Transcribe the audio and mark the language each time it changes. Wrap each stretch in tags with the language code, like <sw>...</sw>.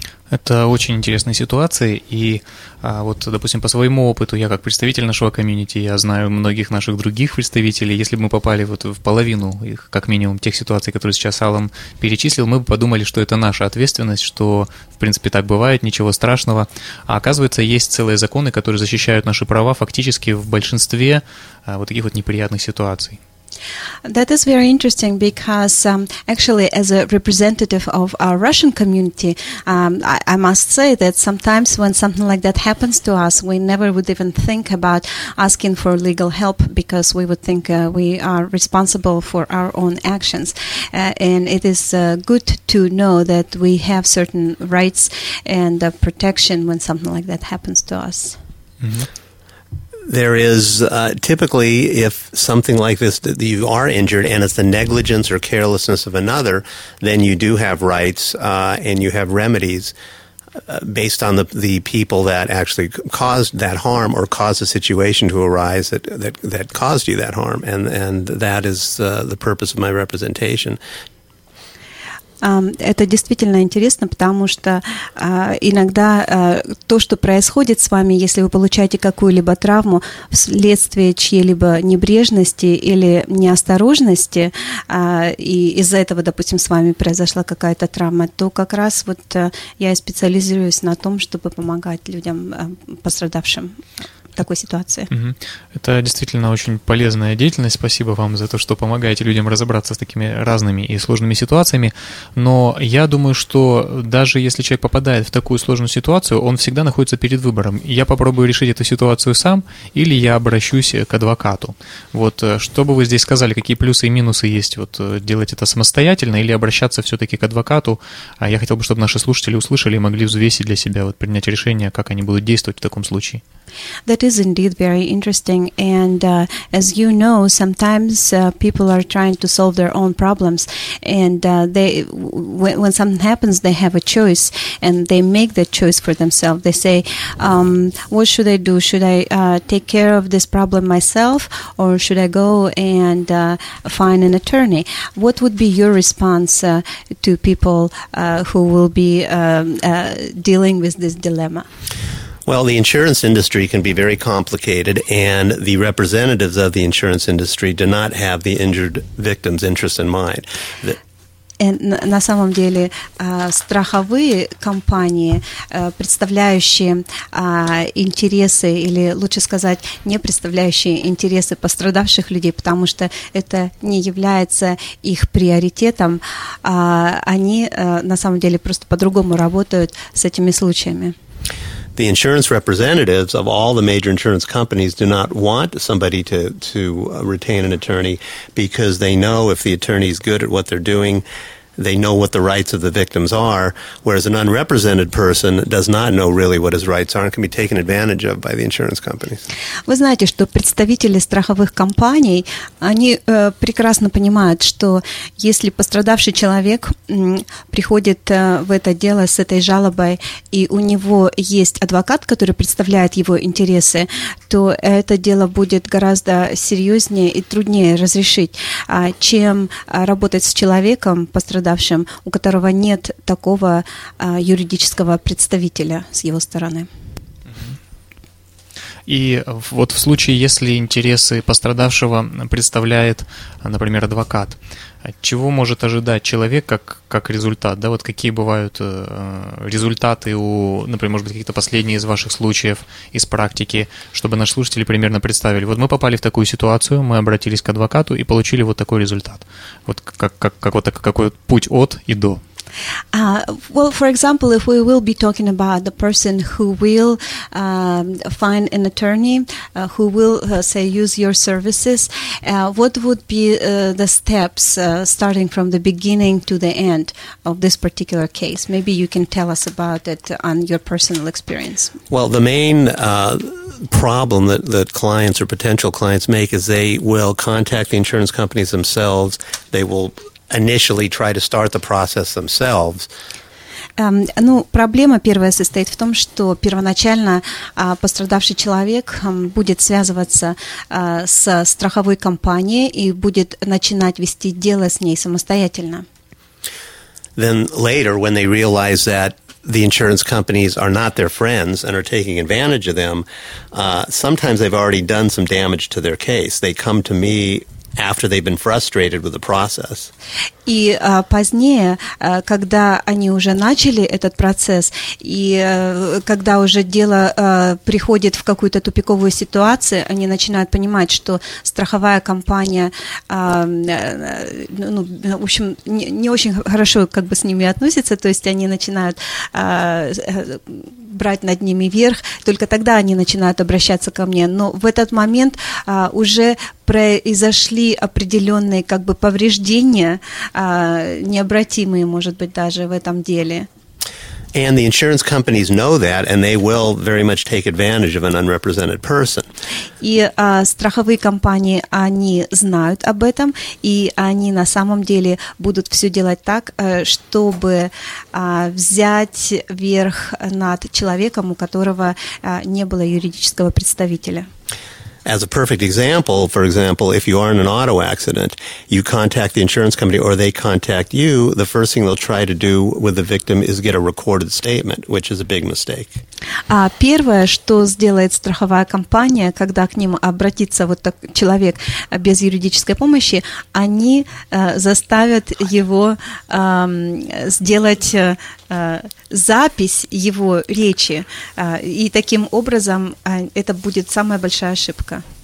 <ru>Это очень интересная ситуация, и вот, допустим, по своему опыту, я как представитель нашего комьюнити, я знаю многих наших других представителей, если бы мы попали вот в половину их, как минимум, тех ситуаций, которые сейчас Алан перечислил, мы бы подумали, что это наша ответственность, что, в принципе, так бывает, ничего страшного, а оказывается, есть целые законы, которые защищают наши права фактически в большинстве вот таких вот неприятных ситуаций.</ru> <en>That is very interesting because actually as a representative of our Russian community, I must say that sometimes when something like that happens to us, we never would even think about asking for legal help because we would think we are responsible for our own actions. And it is good to know that we have certain rights and protection when something like that happens to us. Mm-hmm. There is typically, if something like this, that you are injured and it's the negligence or carelessness of another, then you do have rights and you have remedies based on the people that actually caused that harm or caused the situation to arise that caused you that harm. And that is the purpose of my representation.</en> <ru>Это действительно интересно, потому что иногда то, что происходит с вами, если вы получаете какую-либо травму вследствие чьей-либо небрежности или неосторожности, и из-за этого, допустим, с вами произошла какая-то травма, то как раз вот я и специализируюсь на том, чтобы помогать людям, пострадавшим. Такой ситуации. Mm-hmm. Это действительно очень полезная деятельность. Спасибо вам за то, что помогаете людям разобраться с такими разными и сложными ситуациями. Но я думаю, что даже если человек попадает в такую сложную ситуацию, он всегда находится перед выбором. Я попробую решить эту ситуацию сам, или я обращусь к адвокату. Вот что бы вы здесь сказали, какие плюсы и минусы есть вот, делать это самостоятельно или обращаться все-таки к адвокату? А я хотел бы, чтобы наши слушатели услышали и могли взвесить для себя, вот, принять решение, как они будут действовать в таком случае.</ru> <en>That is indeed very interesting, and as you know, sometimes people are trying to solve their own problems, and when something happens, they have a choice, and they make that choice for themselves. They say, what should I do? Should I take care of this problem myself, or should I go and find an attorney? What would be your response to people who will be dealing with this dilemma? Well, the insurance industry can be very complicated, and the representatives of the insurance industry do not have the injured victim's interest in mind.</en> <ru>На самом деле, страховые компании, представляющие интересы, или лучше сказать, не представляющие интересы пострадавших людей, потому что это не является их приоритетом, они на самом деле просто по-другому работают с этими случаями.</ru> <en>The insurance representatives of all the major insurance companies do not want somebody to retain an attorney because they know if the attorney is good at what they're doing, they know what the rights of the victims are, whereas an unrepresented person does not know really what his rights are and can be taken advantage of by the insurance companies.</en> <ru>Вы знаете, что представители страховых компаний, они прекрасно понимают, что если пострадавший человек приходит в это дело с этой жалобой, и у него есть адвокат, который представляет его интересы, то это дело будет гораздо серьезнее и труднее разрешить, чем работать с человеком, пострадавшим, у которого нет такого юридического представителя с его стороны. И вот в случае, если интересы пострадавшего представляет, например, адвокат, чего может ожидать человек как результат? Да, вот какие бывают результаты у, например, может быть, какие-то последние из ваших случаев из практики, чтобы наши слушатели примерно представили. Вот мы попали в такую ситуацию, мы обратились к адвокату и получили вот такой результат. Вот как вот такой путь от и до.</ru> <en>Well, for example, if we will be talking about the person who will find an attorney, who will, say, use your services, what would be the steps starting from the beginning to the end of this particular case? Maybe you can tell us about it on your personal experience. Well, the main problem that clients or potential clients make is they will contact the insurance companies themselves. They will initially try to start the process themselves.</en> <ru>Ну, проблема первая состоит в том, что первоначально пострадавший человек будет связываться с страховой компанией и будет начинать вести дело с ней самостоятельно.</ru> <en>Then later, when they realize that the insurance companies are not their friends and are taking advantage of them, sometimes they've already done some damage to their case. They come to me after they've been frustrated with the process.</en> <ru>И позднее, когда они уже начали этот процесс, и когда уже дело приходит в какую-то тупиковую ситуацию, они начинают понимать, что страховая компания, ну, в общем, не очень хорошо как бы с ними относится, то есть они начинают брать над ними верх, только тогда они начинают обращаться ко мне. Но в этот момент уже произошли определенные как бы повреждения, необратимые, может быть, даже в этом деле.</ru> <en>And the insurance companies know that, and they will very much take advantage of an unrepresented person.</en> <ru>И страховые компании, они знают об этом, и они на самом деле будут все делать так, чтобы взять верх над человеком, у которого не было юридического представителя.</ru> <en>As a perfect example, for example, if you are in an auto accident, you contact the insurance company or they contact you, the first thing they'll try to do with the victim is get a recorded statement, which is a big mistake.</en> <ru>Первое, что сделает страховая компания, когда к ним обратится вот так человек без юридической помощи, они заставят его сделать запись его речи, и таким образом это будет самая большая ошибка.</ru>